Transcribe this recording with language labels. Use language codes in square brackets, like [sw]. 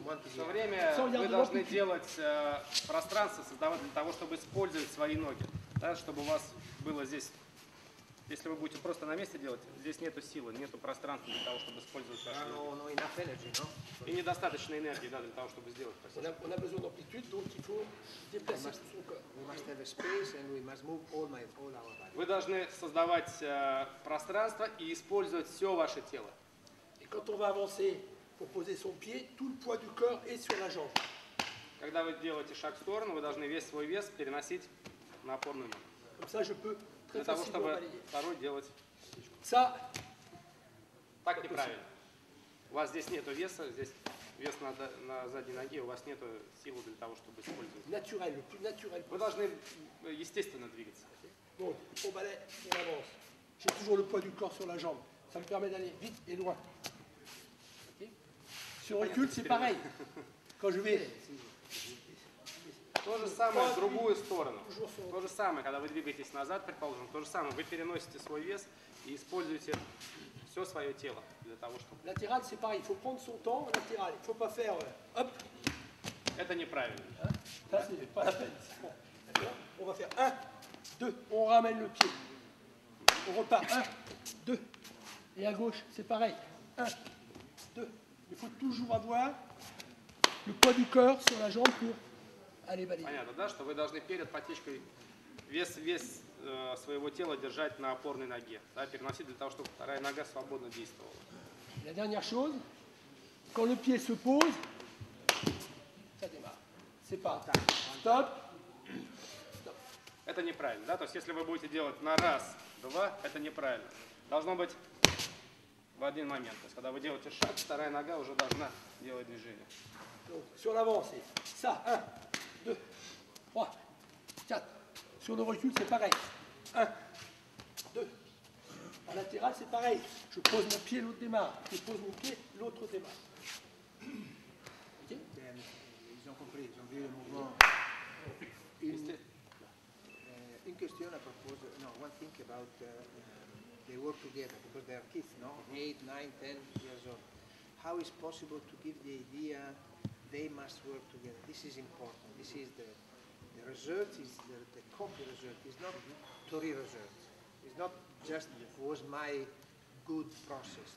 [ru] Все время вы должны делать пространство, создавать для того, чтобы использовать свои ноги, да, чтобы у вас было здесь, если вы будете просто на месте делать, здесь нету силы, нету пространства для того, чтобы использовать ваши ноги. И недостаточно энергии, да, для того, чтобы сделать пассаж. [fr] On a besoin d'amplitude, donc il faut déplacer son corps. [en] We must have a space and we must move all our body. [ru] Вы должны создавать пространство и использовать все ваше тело. [fr] И quand on va avancer pour poser son pied, tout le poids du corps est sur la jambe. [ru] Когда вы делаете шаг в сторону, вы должны весь свой вес переносить на опорную ногу. [fr] Comme ça, je peux très facilement balayer. [ru] Для того, чтобы второй делать. [fr] Ça. [ru] Так неправильно. У вас здесь нету веса, здесь вес на задней ноге, у вас нету силы для того, чтобы использовать. [fr] Натурально, plus naturel. [ru] Вы должны естественно двигаться. [fr] Donc, on balaye, on avance. J'ai toujours le poids du corps sur la jambe. Ça me permet d'aller vite et loin. Okay. Sur recul, c'est pareil. Quand je vais. [ru] То же самое в другую сторону. То же самое, когда вы двигаетесь назад, предположим, то же самое. Вы переносите свой вес и используете все свое тело для того, чтобы. [fr] Latéral, c'est pareil. Il faut prendre son temps en latéral. Il faut pas faire. Hop. [ru] Это неправильно. [fr] Ça, c'est pas la peine. On va faire 1, 2, on ramène le pied. On repart, 1, 2. Et à gauche, c'est pareil. 1, 2. Il faut toujours avoir le poids du corps sur la jambe pour aller balayer. [ru] Понятно, да, что вы должны перед потечкой вес своего тела держать на опорной ноге, да, переносить для того, чтобы вторая нога свободно действовала. [fr] La dernière chose, quand le pied se pose, ça démarre. C'est pas. Stop. [ru] Это неправильно, да? То есть, если вы будете делать на раз, два, это неправильно. Должно быть в один момент. То есть, когда вы делаете шаг, вторая нога уже должна делать движение. [fr] Sur l'avancée. Ça. Un, deux, trois, quatre. Sur le recul, c'est pareil. Un, deux. En latéral, c'est pareil. Je pose mon pied, l'autre démarre. Je pose mon pied, l'autre démarre. Ok? Ils ont compris. Ils ont vu le mouvement. Une question à propos de... [en] No, one thing about they work together, because they are kids, no? 8, 9, 10 years old. How is possible to give the idea they must work together? This is important. This is the result, is the copy result. It's not Tori result. It's not just was my good process.